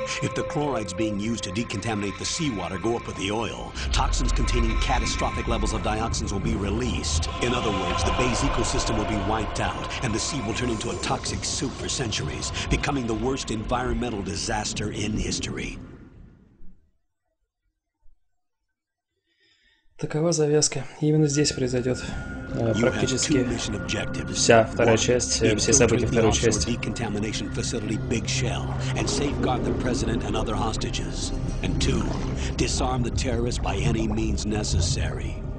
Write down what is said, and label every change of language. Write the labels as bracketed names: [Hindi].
[English] If the chlorides being used to decontaminate the seawater go up with the oil, toxins containing catastrophic levels of dioxins will be released. In other words, the bay's ecosystem will be wiped out, and the sea will turn into a toxic soup for centuries, becoming the worst environmental disaster in history. [Russian] Такова завязка. Именно здесь произойдет практически вся вторая часть, все события второй части. [English] Decontamination facility Big Shell and safeguard the president and other hostages. And two, disarm the terrorists by any means necessary.